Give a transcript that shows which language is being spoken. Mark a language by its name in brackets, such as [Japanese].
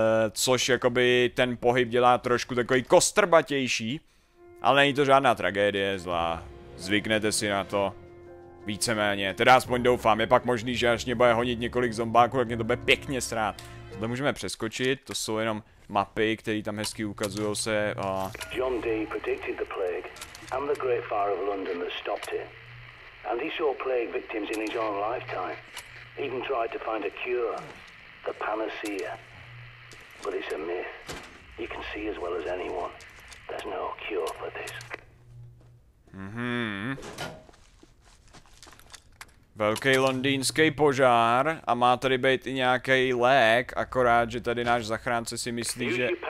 [Czech] Což jakoby ten pohyb dělá trošku takový kostrbatější. Ale není to žádná tragédie, zlá. Zvyknete si na to. Víceméně. Teda aspoň doufám. Je pak možný, že až mě bude honit několik zombáků, tak mě to bude pěkně srát. To můžeme přeskočit. To jsou jenom mapy, které tam hezky ukazují se. A... [English] John Dee predicted the plague and the great fire of London that stopped it. And he saw plague victims in his own lifetime. Even tried to find a cure. The panacea. But it's a myth. You can see as well as anyone. There's no cure for this. Mhm. [Czech] Velký londýnský požár a má tady být i nějaký lék, akorát že tady náš zachránce si myslí, že...